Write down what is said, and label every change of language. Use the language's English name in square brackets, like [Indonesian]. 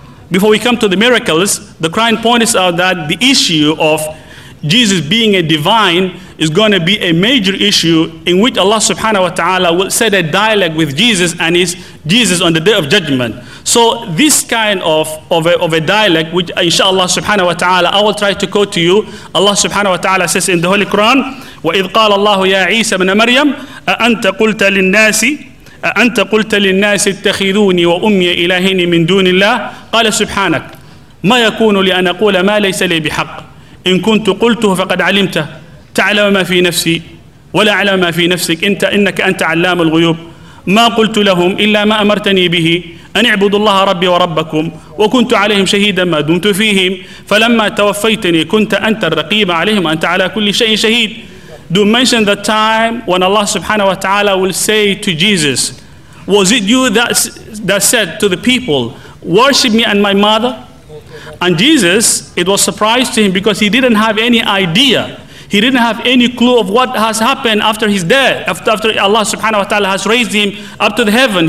[English] Before we come to the miracles, the Quran points out that the issue of Jesus being a divine is going to be a major issue in which Allah subhanahu wa ta'ala will set a dialogue with Jesus and his Jesus on the Day of Judgment. So this kind of a dialogue, which inshallah subhanahu wa ta'ala, I will try to quote to you. Allah subhanahu wa ta'ala says in the Holy Quran, [Arabic] وَإِذْ قَالَ اللَّهُ يَا عِيسَى بْنَ مَرْيَمَ أَأَنْتَ قُلْتَ لِلنَّاسِ أأنت قلت للناس اتخذوني وأمي إلهين من دون الله قال سبحانك ما يكون لي أن أقول ما ليس لي بحق إن كنت قلته فقد علمته تعلم ما في نفسي ولا أعلم ما في نفسك إنك أنت علام الغيوب ما قلت لهم إلا ما أمرتني به أن اعبدوا الله ربي وربكم وكنت عليهم شهيدا ما دمت فيهم فلما توفيتني كنت أنت الرقيب عليهم أنت على كل شيء شهيد. [English] Do mention the time when Allah subhanahu wa ta'ala will say to Jesus, was it you that said to the people, worship me and my mother? And Jesus, it was surprise to him because he didn't have any idea. He didn't have any clue of what has happened after his death, after Allah subhanahu wa ta'ala has raised him up to the heaven.